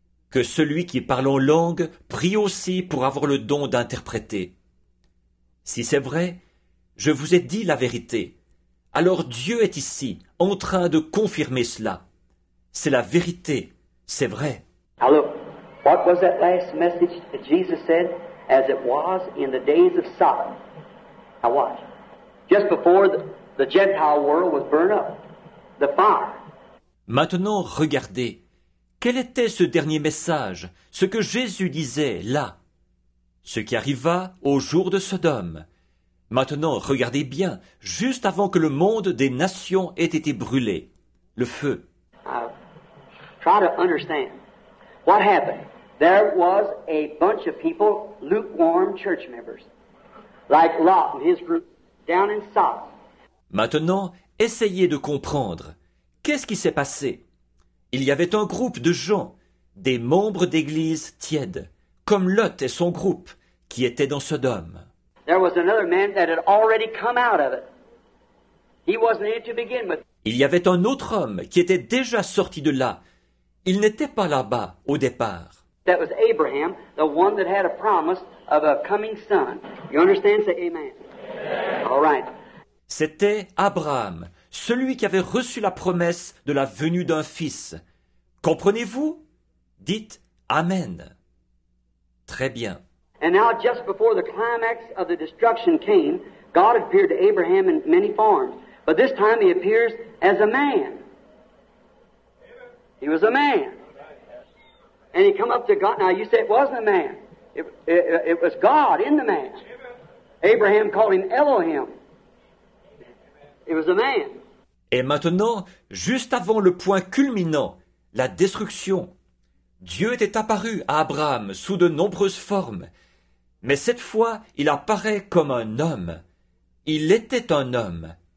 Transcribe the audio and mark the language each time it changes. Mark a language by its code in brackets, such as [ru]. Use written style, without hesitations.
[fr] Que celui qui parle en langue prie aussi pour avoir le don d'interpréter. Si c'est vrai, je vous ai dit la vérité. Alors Dieu est ici, en train de confirmer cela. C'est la vérité, c'est vrai. [en] Alors, what was that last message that Jesus said, as it was in the days of Sodom? Now watch. Just before the Gentile world was burned up, the fire. [fr] Maintenant, regardez. Quel était ce dernier message, ce que Jésus disait là? Ce qui arriva au jour de Sodome. Maintenant, regardez bien, juste avant que le monde des nations ait été brûlé, le feu. [en] Try to understand what happened. There was a bunch of people, lukewarm church members, like Lot and his group, down in Sodom. [fr] Maintenant, essayez de comprendre. Qu'est-ce qui s'est passé? Il y avait un groupe de gens, des membres d'église tièdes, comme Lot et son groupe, qui étaient dans Sodome. [en] There was another man that had already come out of it. He wasn't in to begin with. [fr] Il y avait un autre homme qui était déjà sorti de là. Il n'était pas là-bas au départ. [en] That was Abraham, the one that had a promise of a coming son. You understand? Say amen. All right. [fr] C'était Abraham, celui qui avait reçu la promesse de la venue d'un fils. Comprenez-vous? Dites amen. Très bien. [en] And now, just before the climax of the destruction came, God appeared to Abraham in many forms. But this time, he appears as a man. He was a man. And he come up to God. Now, you say it wasn't a man. It was God in the man. Abraham called him Elohim. It was a man. [fr] Et maintenant, juste avant le point culminant, la destruction, Dieu était apparu à Abraham sous de nombreuses formes. Mais cette fois, il apparaît comme un homme. Il était un homme.